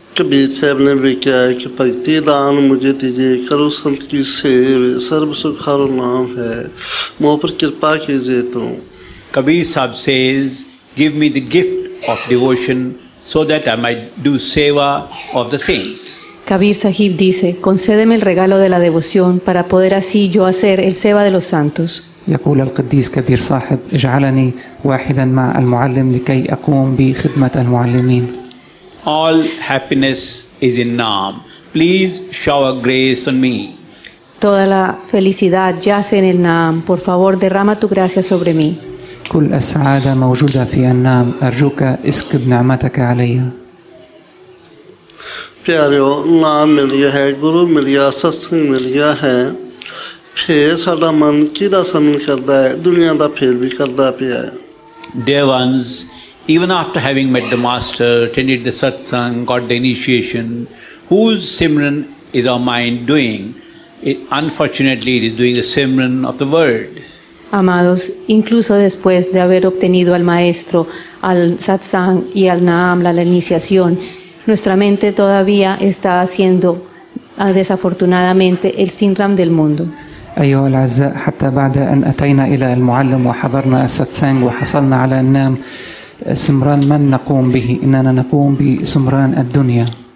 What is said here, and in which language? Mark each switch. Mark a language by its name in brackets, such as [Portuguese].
[Urdu] كبير صاحب نے بھی کہا ہے کہ بھکتی دان مجھے دیجئے کرو سنت کی سیو سرب سکھار نام ہے مو پر کرپا کیجئے تو. [English] Kabir Sahib says, give me the gift of devotion so that I might do seva of the saints. [Spanish] Kabir Sahib dice, concédeme el regalo de la devoción para poder así yo hacer el seva de los santos. [Arabic] يقول القديس كبير صاحب اجعلني واحدا مع المعلم لكي اقوم بخدمه المعلمين. [English] All happiness is in Nam. Please shower grace on me. [Spanish] Toda la felicidad yace en el Nam. Por favor, derrama tu gracia sobre mí. [Arabic] كل السعاده موجوده في النام. ارجوك اسكب نعمتك علي. [Punjabi] پیارو نام ملیا ہے گرو ملیا ستسنگ ملیا ہے پھر ساڈا من کیدا سمن کردا ہے دنیا دا پھر بھی کردا پیا ہے. [English] Dear ones, even after having met the master, attended the satsang, got the initiation, whose simran is our mind doing? It, unfortunately, it is doing the simran of the world. [Spanish] Amados, incluso después de haber obtenido al maestro, al satsang y al naam, la iniciación, nuestra mente todavía está haciendo, desafortunadamente, el simran del mundo. [Arabic] أيها الأعزاء، حتى بعد أن أتينا إلى المعلم وحضرنا الساتسانج وحصلنا على النام سمران من نقوم به؟ إننا نقوم بسمران الدنيا.